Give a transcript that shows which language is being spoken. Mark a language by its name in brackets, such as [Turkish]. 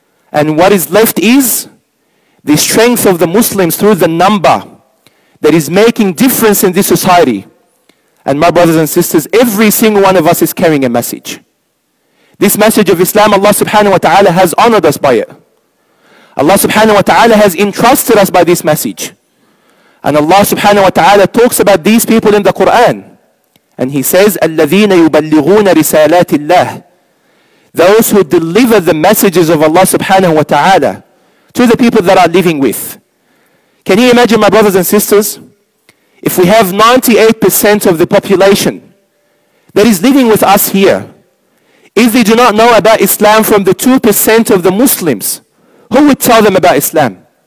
[English] And what is left is the strength of the Muslims through the number that is making difference in this society. And my brothers and sisters, every single one of us is carrying a message. This message of Islam, Allah subhanahu wa ta'ala has honored us by it. Allah subhanahu wa ta'ala has entrusted us by this message. And Allah subhanahu wa ta'ala talks about these people in the Quran. And he says, [Arabic] الَّذِينَ يُبَلِّغُونَ رِسَالَاتِ اللَّهِ. [English] Those who deliver the messages of Allah subhanahu wa ta'ala to the people that are living with. Can you imagine, my brothers and sisters, if we have 98% of the population that is living with us here, if they do not know about Islam from the 2% of the Muslims, who would tell them about Islam?